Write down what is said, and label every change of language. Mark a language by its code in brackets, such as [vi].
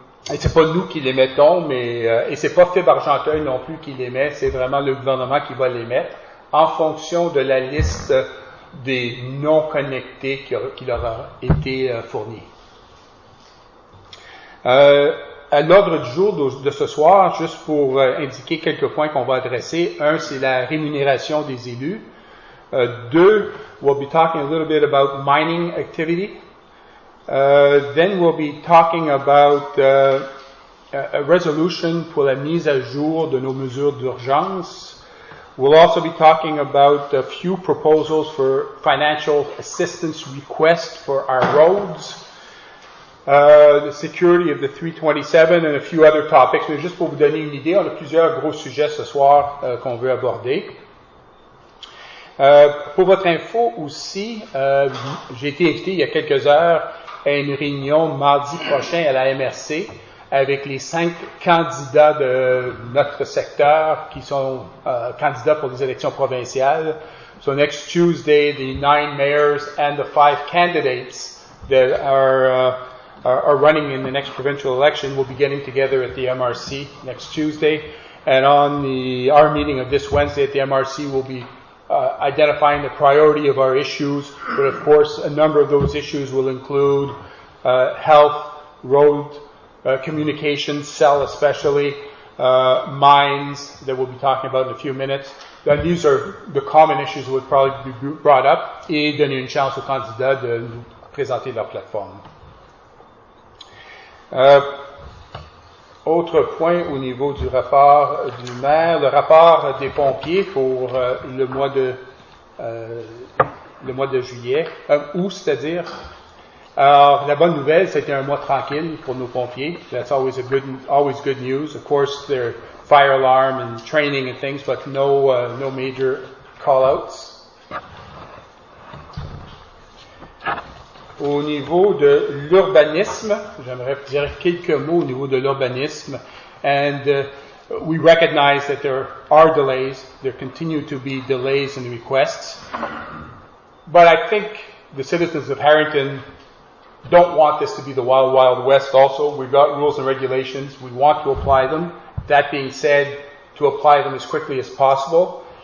[fr] Et c'est pas nous qui les mettons, mais et c'est pas Fibre Argenteuil non plus qui les met, c'est vraiment le gouvernement qui va les mettre en fonction de la liste des non connectés qui leur a été fournie. À l'ordre du jour de ce soir, juste pour indiquer quelques points qu'on va adresser. Un, c'est la rémunération des élus. Deux, [en] we'll be talking a little bit about mining activity. Then we'll be talking about a resolution [fr] pour la mise à jour de nos mesures d'urgence. [en] We'll also be talking about a few proposals for financial assistance requests for our roads, the security of the 327 and a few other topics. [fr] Mais juste pour vous donner une idée, on a plusieurs gros sujets ce soir qu'on veut aborder. Pour votre info aussi, j'ai été invité il y a quelques heures à une réunion mardi prochain à la MRC avec les 5 candidats de notre secteur qui sont candidats pour des élections provinciales. [en] So next Tuesday, the 9 mayors and the 5 candidates that are running in the next provincial election will be getting together at the MRC next Tuesday. And on our meeting of this Wednesday at the MRC, we'll be identifying the priority of our issues, but of course a number of those issues will include health, road, communications, cell especially, mines that we'll be talking about in a few minutes. Then these are the common issues that would probably be brought up, [fr] et donner une chance aux candidats de nous présenter leur plateforme. Autre point au niveau du rapport du maire, le rapport des pompiers pour le mois de juillet, août, c'est-à-dire. Alors, la bonne nouvelle, c'était un mois tranquille pour nos pompiers. [en] That's always good news. Of course, there are fire alarm and training and things, but no major call-outs. [fr] au niveau de l'urbanisme. J'aimerais dire quelques mots au niveau de l'urbanisme. [en] And we recognize that there are delays. There continue to be delays in the requests. But I think the citizens of Harrington don't want this to be the wild, wild west also. We've got rules and regulations. We want to apply them. That being said, to apply them as quickly as possible.